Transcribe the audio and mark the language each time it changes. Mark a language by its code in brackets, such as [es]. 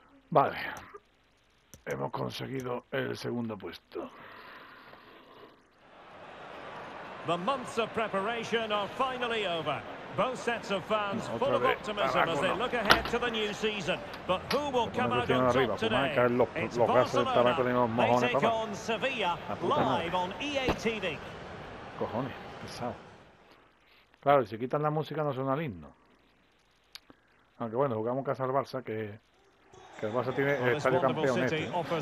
[es] Vale, hemos conseguido el segundo puesto. [en] The months of preparation are finally over. Both sets of fans full of optimism as they look ahead to the new season. But who will come out on top today? It's Barcelona. They take on Sevilla live on EA TV. [es] Cojones, pesado. Claro, si quitan la música no suena el himno. Aunque bueno, jugamos casa al Barça, que Que el Barça tiene el estadio campeón este, ¿no?